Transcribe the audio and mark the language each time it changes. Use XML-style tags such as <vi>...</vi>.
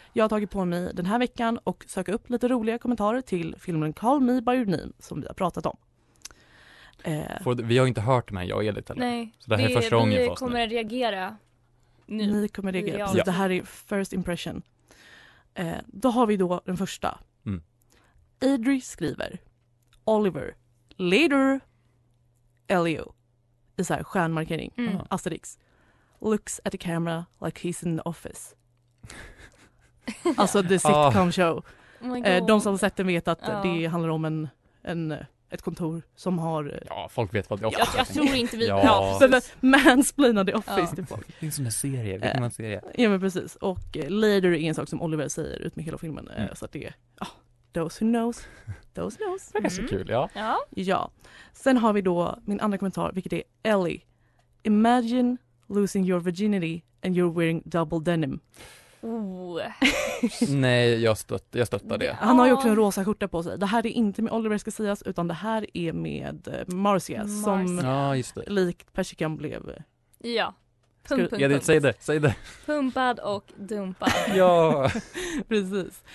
<sv>Jag har tagit på mig den här veckan och söka upp lite roliga kommentarer till filmen Call Me By Your Name som vi har pratat om. Vi har inte hört med jag och Edith heller. Nej, så det här är första gången vi kommer att reagera nu. Ni kommer att reagera, precis. Det här är</sv> <en>first impression.</en> <sv>Då har vi då den första. Adri skriver Oliver, later Elio i så här stjärnmarkering, asterix,</sv> <en>looks at the camera like he's in the office.</en> <sv>Alltså</sv> <en>the sitcom show.</en> <sv>De som har sett den vet att det handlar om ett kontor som har... Ja, folk vet vad det är. Ja, jag tror inte vi... Mansplaina The Office till folk. Det är som en serie. Ja, men precis. Och later är en sak som Oliver säger ut med hela filmen. Så att det är...</sv> <en>Those who knows.</en> <sv>Det är så kul, ja. Ja. Sen har vi då min andra kommentar, vilket är Ellie.</sv> <en>Imagine losing your virginity and you're wearing double denim.</en> <sv>Nej, jag stöttar det. Han har ju också en rosa skjorta på sig. Det här är inte med Oliver ska sägas, utan det här är med Marcia som likt Persikan blev. Ja. Säg det. Pumpad och dumpad. Ja. Precis.</sv>